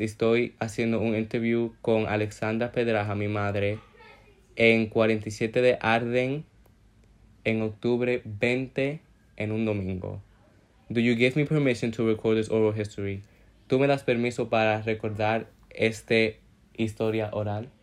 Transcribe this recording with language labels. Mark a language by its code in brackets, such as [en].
[es] Estoy haciendo un interview con Alexandra Pedraja, mi madre, en 47 de Arden, en octubre 20, en un domingo. [en] Do you give me permission to record this oral history? [es] ¿Tú me das permiso para recordar esta historia oral?